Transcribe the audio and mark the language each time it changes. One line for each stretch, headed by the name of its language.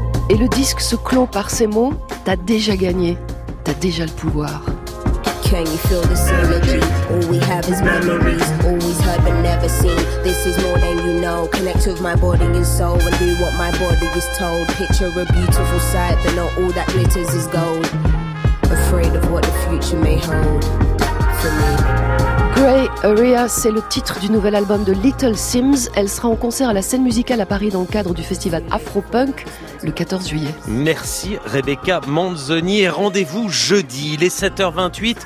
French: Et le disque se clôt par ces mots, t'as déjà gagné, t'as déjà le pouvoir.
English: Can you feel the synergy? All we have is memories, always heard but never seen. This is more than you know. Connect with my body and soul and do what my body is told. Picture a beautiful sight, but not all that glitters is gold. Afraid of what the future may hold for me.
French: Grey Area, c'est le titre du nouvel album de Little Sims. Elle sera en concert à la scène musicale à Paris dans le cadre du festival Afropunk le 14 juillet. Merci Rebecca Manzoni et rendez-vous jeudi, il est 7h28.